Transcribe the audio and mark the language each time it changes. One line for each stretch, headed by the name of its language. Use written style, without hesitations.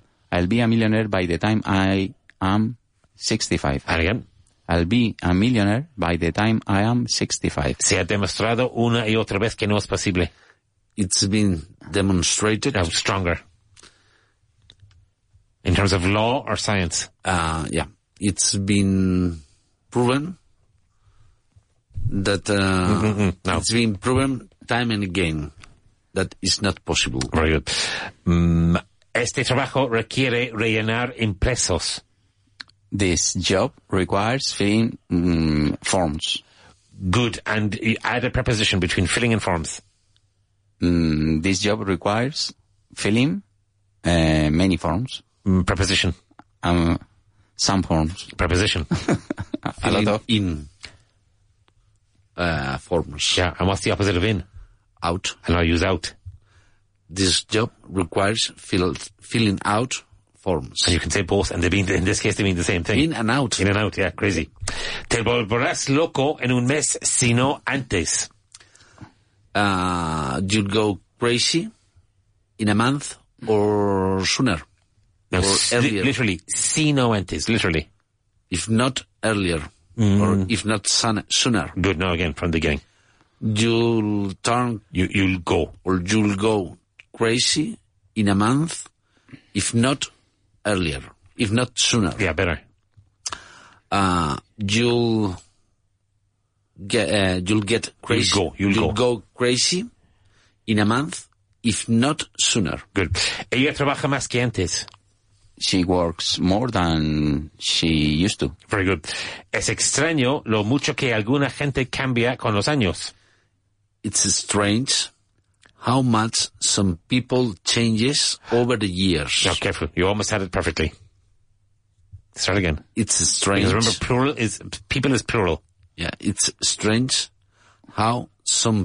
English: I'll be a millionaire by the time I am 65. And again. I'll be a millionaire by the time I am 65.
Spanish: Se ha demostrado una y otra vez que no es posible.
English: It's been demonstrated. No, stronger. In terms of law or science? Yeah. It's been proven that... No. It's been proven time and again that it's not possible. Very good.
Spanish: Este trabajo requiere rellenar impresos.
English: This job requires filling forms. Good. And add a preposition between filling and forms. This job requires filling many forms. Preposition. Some forms. Preposition. A lot of in forms. Yeah, and what's the opposite of in? Out. And I use out. This job requires filling out forms. And you can say both, and they mean, in this case they mean the same thing. In and out. In and out, yeah, crazy.
Spanish: Te volverás loco en un mes si no antes.
English: You'd go crazy in a month or sooner. No, or earlier.
Spanish: Literally, si no antes, literally.
English: If not earlier, or if not sooner. Good, now again, from the beginning. You'll turn... You'll go. Or you'll go crazy in a month, if not earlier, if not sooner. Yeah, better. You'll go crazy in a month, if not sooner.
Spanish: Good. Ella trabaja más que antes.
English: She works more than she used to. Very good.
Spanish: Es extraño lo mucho que alguna gente cambia con los años.
English: It's strange how much some people changes over the years. No, careful. You almost had it perfectly. Start again. It's strange. Because remember, plural is, people is plural. Yeah, it's strange how some...